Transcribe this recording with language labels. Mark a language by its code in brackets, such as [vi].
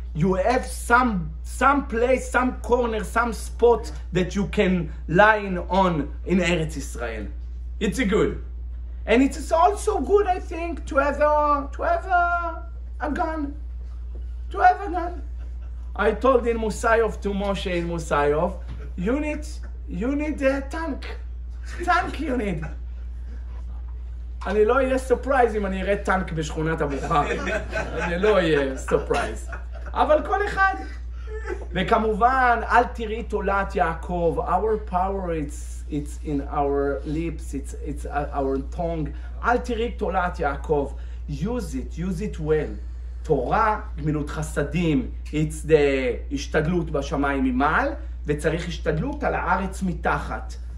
[en] You have some place, some corner, some spot that you can line on in Eretz Israel. It's good. And it's also good, I think, to have a gun. I told in Musayov to Moshe in Musayov, you need a tank. Tank you need. [he] אני לא אהיה סופרייז אם אני אראה טנק בשכונת הבוחרי. אני לא אהיה סופרייז. אבל כל אחד. וכמובן, אל תראי תולעת יעקב. [en] Our power it's in our lips, it's our tongue. [he] אל תראי תולעת יעקב. [en] Use it well. [he] תורה, גמילות חסדים, [en] it's the [he] השתדלות בשמיים ממעל, וצריך השתדלות על הארץ מתחת.